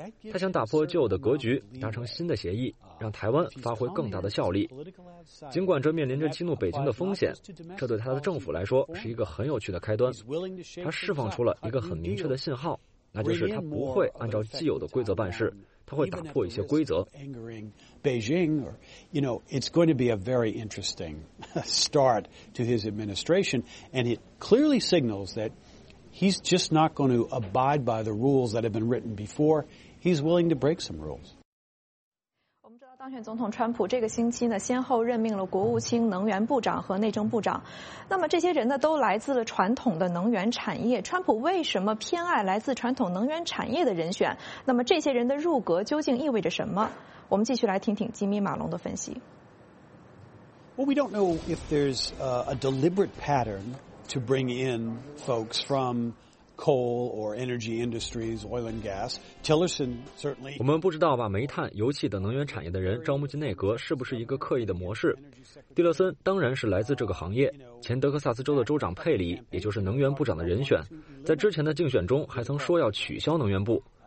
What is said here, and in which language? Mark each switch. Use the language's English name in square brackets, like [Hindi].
[Chinese] 他想打破旧的格局，达成新的协议，让台湾发挥更大的效力。尽管这面临着激怒北京的风险，这对他的政府来说是一个很有趣的开端。他释放出了一个很明确的信号，那就是他不会按照既有的规则办事，他会打破一些规则。 [English] You know, it's going to be a very interesting start to his administration, and it clearly signals that he's just not going to abide by the rules that have been written before. He's willing to break some rules. [Chinese] 当选总统川普这个星期呢，先后任命了国务卿、能源部长和内政部长。那么这些人呢，都来自了传统的能源产业。川普为什么偏爱来自传统能源产业的人选？那么这些人的入阁究竟意味着什么？我们继续来听听吉米·马龙的分析。 [English] Well, we don't know if there's a deliberate pattern to bring in folks from. Coal or energy industries, oil and gas. Tillerson certainly. [Chinese] 我们不知道把煤炭、油气等能源产业的人招募进内阁是不是一个刻意的模式。蒂勒森当然是来自这个行业。前德克萨斯州的州长佩里，也就是能源部长的人选，在之前的竞选中还曾说要取消能源部。